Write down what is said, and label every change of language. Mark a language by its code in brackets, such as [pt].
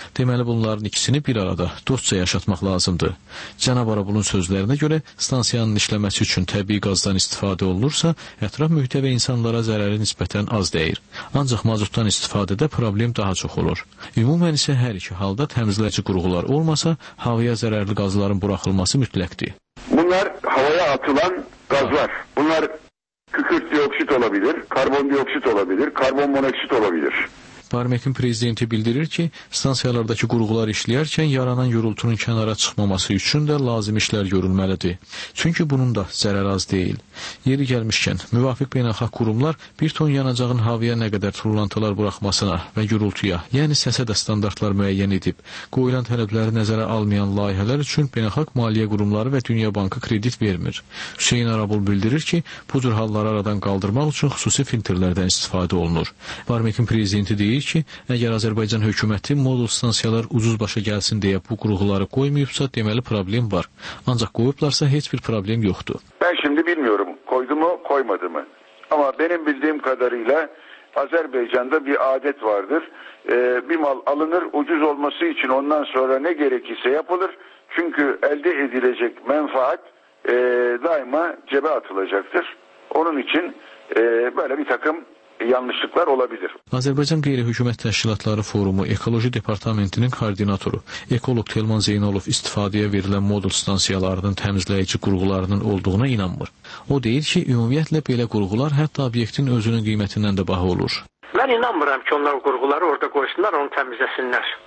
[az] Deməli, bunların ikisini bir arada dostça yaşatmaq lazımdır. Cənab Arabulun sözlərinə görə, stansiyanın işləməsi üçün təbii qazdan istifadə olunursa, ətraf mühitə və insanlara zərəri nisbətən az dəyir. Ancaq mazutdan istifadədə problem daha çox olur. Ümumən isə hər iki halda təmizləyici qurğular olmasa, havaya zərərli qazların buraxılması mütləqdir. [tr] Bunlar havaya atılan qazlar. Bunlar kükürt dioksit olabilir, karbon dioksit olabilir, karbon monoksit olabilir. [az] Barmekin prezidenti bildirir ki, stansiyalardakı qurğular işləyərkən yaranan yorultunun kənara çıxmaması üçün də lazım işlər görülməlidir. Çünki bunun da zərər az deyil. Yeri gəlmişkən, müvafiq beynəlxalq qurumlar bir ton yanacağın havaya nə qədər turlantılar buraxmasına və yorultuya, yəni səsə də standartlar müəyyən edib, qoyulan tələbləri nəzərə almayan layihələr üçün beynəlxalq maliyyə qurumları və Dünya Bankı kredit vermir. Hüseyn Arabul bildirir ki, bu cür halları aradan qaldırmaq üçün xüsusi filtrlərdən istifadə olunur. Barmekin prezidenti deyir ki, əgər Azərbaycan hökuməti modul stansiyalar ucuz başa gəlsin deyə bu qurğuları qoymayıbsa, deməli problem var. Ancaq qoyublarsa, heç bir problem yoxdur. [tr] Ben şimdi bilmiyorum, koydu mu, koymadı mı? Ama benim bildiğim kadarıyla Azərbaycanda bir adet vardır. Bir mal alınır, ucuz olması için ondan sonra ne gerekirse yapılır. Çünkü elde edilecek menfaat daima cebe atılacaktır. Onun için böyle bir takım yanlışlıklar olabilir. [az] Azərbaycan Qeyri-Hökumət Təşkilatları Forumu Ekoloji Departamentinin koordinatoru ekolog Telman Zeynalov istifadəyə verilən modul stansiyalarının təmizləyici qurğularının olduğuna inanmır. O deyir ki, ümumiyyətlə belə qurğular hətta obyektin özünün qiymətindən də baha olur. Mən inanmıram ki, onlar qurğuları orada qoysunlar, onu təmizləsinlər.